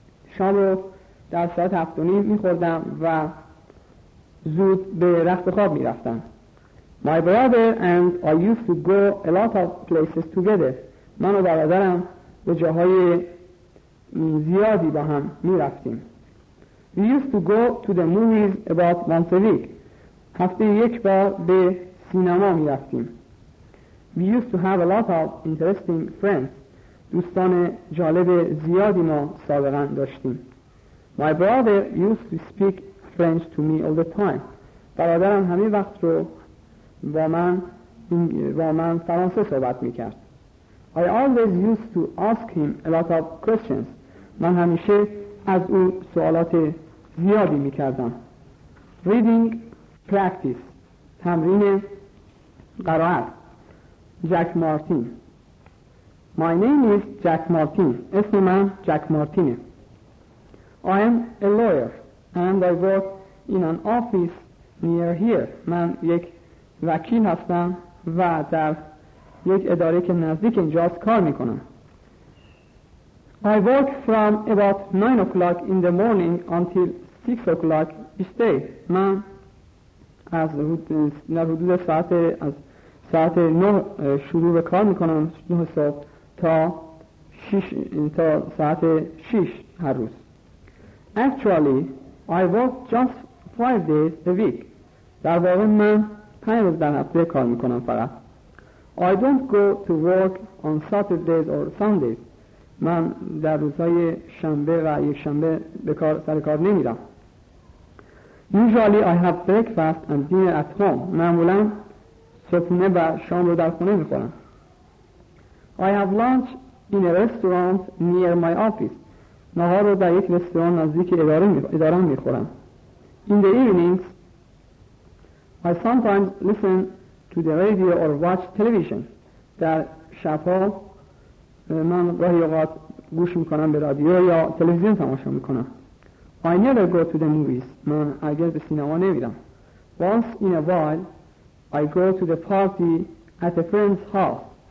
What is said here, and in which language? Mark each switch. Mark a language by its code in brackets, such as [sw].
[fa] شام رو در ساعت 7:30 می خوردم و زود به رخت خواب می رفتم. [en] My brother and I used to go a lot of places together. [fa] من و برادرم به جاهای زیادی با هم می رفتیم. [en] We used to go to the movies about once a week. [fa] هفته یک بار به سینما می رفتیم. [en] We used to have a lot of interesting friends. [fa] دوستان جالب زیادی ما سابقا داشتیم. [en] My brother used to speak French to me all the time. [fa] برادرم همه وقت رو با من فرانسه صحبت میکرد. [en] I always used to ask him a lot of questions. [fa] من همیشه از او سوالات زیادی میکردم. [en] Reading practice [fa] تمرین قرائت. جک مارتین. [en] My name is Jack Martin. [fa] اسم من جک مارتینه. [en] I am a lawyer and I work in an office near here. [fa] من یک وکیل هستم و در یک اداره که نزدیک اینجاست کار میکنم. [en] I work from about 9 o'clock in the morning until 6 o'clock each day. [fa] من از حدود ساعت 9 شروع به کار میکنم 9 صبح تا شش تا ساعت شش هر روز. [en] Actually, I work just 5 days a week. [fa] در واقع من 5 روز در هفته کار میکنم فقط. [en] I don't go to work on Saturdays or Sundays. [fa] من در روزهای شنبه و یک شنبه به کار سر کار نمیرم. [en] Usually I have breakfast and dinner at home. [fa] معمولا صبحونه و شام رو در خونه میخورم. [en] I have lunch in a restaurant near my office. [fa] نهار رو در یک رستوران نزدیک اداره میخورم. [en] In the evenings I sometimes listen to the radio or watch television. [fa] در شبها من گاهی اوقات گوش میکنم به رادیو یا تلویزیون تماشا میکنم. [en] I never go to the movies. [fa] من هرگز به سینما نمیرم. [en] Once in a while I go to the party at a friend's house.